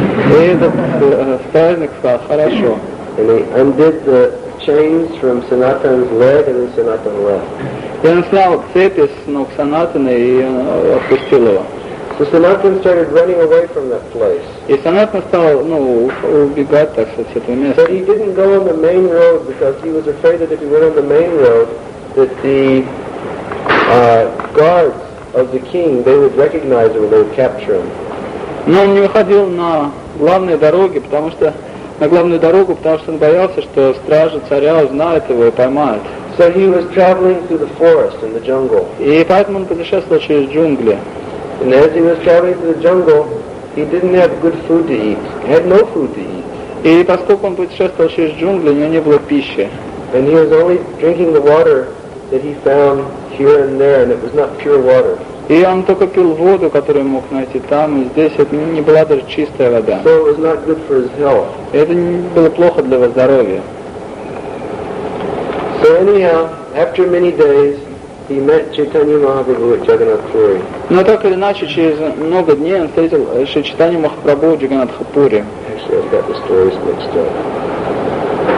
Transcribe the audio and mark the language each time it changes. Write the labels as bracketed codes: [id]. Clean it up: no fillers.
[ru] И этот стражник сказал, хорошо. [en] And he undid the chains from Sanatana's leg and then Sanatana left. [ru] И он снял цепи с ног Санатана и отпустил его. [en] So Sanatana started running away from that place. [ru] И Санатана стал, убегать, так сказать, с этого места. [en] But he didn't go on the main road because he was afraid that if he went on the main road, that the guards of the king, they would recognize him and they would capture him. [ru] Но он не выходил на главные дороги, потому что он боялся, что стражи царя узнают его и поймают. [en] So he was traveling through the forest and the jungle. [ru] И поэтому он путешествовал через джунгли. [en] And as he was traveling through the jungle, he didn't have good food to eat. He had no food to eat. [ru] И поскольку он путешествовал через джунгли, у него не было пищи. [en] And he was only drinking the water that he found here and there, and it was not pure water. [ru] И он только пил воду, которую мог найти там и здесь. Это не была даже чистая вода. [en] So it was not good for his health. [ru] Это не было плохо для его здоровья. [en] So anyhow, after many days, he met Chaitanya Mahaprabhu at Jagannath Puri. [ru] Но так или иначе, через много дней он встретил Шри Чайтанья Махапрабху в Джаганнатхапуре. [en] Actually, I've got the stories mixed up.